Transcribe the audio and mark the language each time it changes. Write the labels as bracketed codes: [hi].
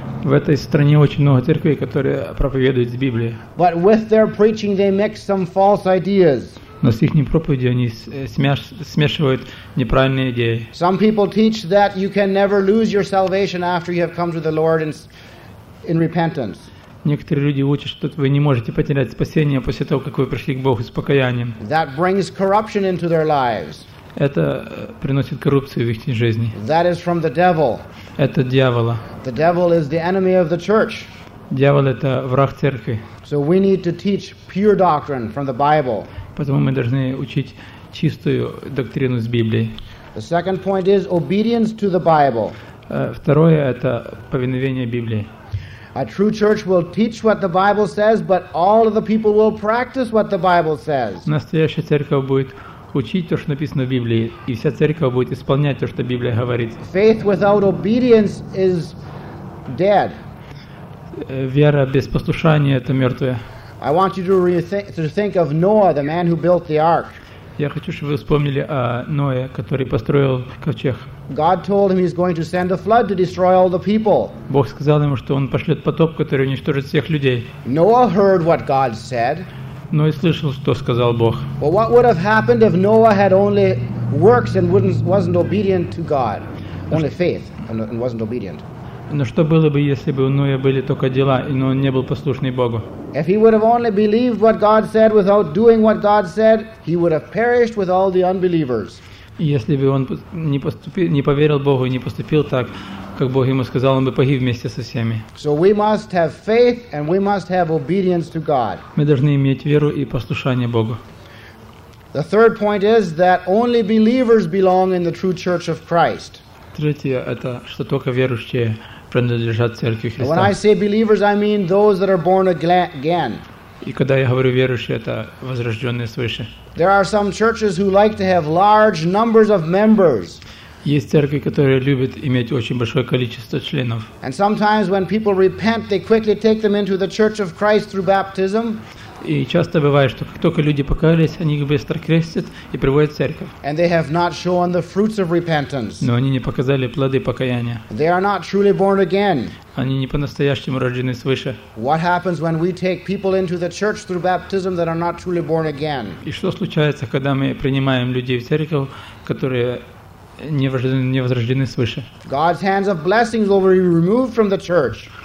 [ru] В этой стране очень много церквей, которые проповедуют из Библии. [en] But with their preaching they mix some false ideas. [ru] Но с их проповедью они смешивают неправильные идеи. [en] Some people teach that you can never lose your salvation after you have come to the Lord in repentance. [ru] Некоторые люди учат, что вы не можете потерять спасение после того, как вы пришли к Богу с покаянием. [en] That brings corruption into their lives. [ru] Это приносит коррупцию в их жизни. [en] That is from the devil. [ru] Это дьявола. [en] The devil is the enemy of the church. [ru] Дьявол это враг церкви. [en] So we need to teach pure doctrine from the Bible. [ru] Поэтому мы должны учить чистую доктрину из Библии. [en] The second point is obedience to the Bible. [ru] Второе это повиновение Библии. [en] A true church will teach what the Bible says, but all of the people will practice what the Bible says. [ru] Настоящая церковь будет учить то, что написано в Библии, и вся церковь будет исполнять то, что Библия говорит. [en] Faith without obedience is dead. [ru] Вера без послушания это мертвая. [en] I want you to think of Noah, the man who built the ark. [ru] Я хочу, чтобы вы вспомнили о Ное, который построил ковчег. [en] God told him he's going to send a flood to destroy all the people. [ru] Бог сказал ему, что он пошлет потоп, который уничтожит всех людей. [en] Noah heard what God said. [ru] Ной слышал, что сказал Бог. [en] Well, what would have happened if Noah had only works and wasn't obedient to God? Only faith and wasn't obedient. [ru] Но что было бы, если бы у Ноя были только дела, но он не был послушный Богу? [en] If he would have only believed what God said without doing what God said, he would have perished with all the unbelievers. [ru] Если бы он не поверил Богу и не поступил так, как Бог ему сказал, он бы погиб вместе со всеми. [en] So we must have faith and we must have obedience to God. [ru] Мы должны иметь веру и послушание Богу. [en] The third point is that only believers belong in the true church of Christ. [ru] Третье это что только верующие принадлежат церкви Христа. [en] When I say believers, I mean those that are born again. [ru] И когда я говорю верующие, это возрожденные свыше. [en] There are some churches who like to have large numbers of members. [ru] Есть церкви, которые любят иметь очень большое количество членов. [en] And sometimes when people repent, they quickly take them into the church of Christ through baptism. [ru] И часто бывает, что как только люди покаялись, они их быстро крестят и приводят в церковь. [en] And they have not shown the fruits of repentance. [ru] Но они не показали плоды покаяния. [en] They are not truly born again. [ru] Они не по-настоящему рождены свыше. [en] What happens when we take people into the church through baptism that are not truly born again? [ru] И что случается, когда мы принимаем людей в церковь, которые не возрождены свыше? [en] God's hands of blessings will be removed from the church.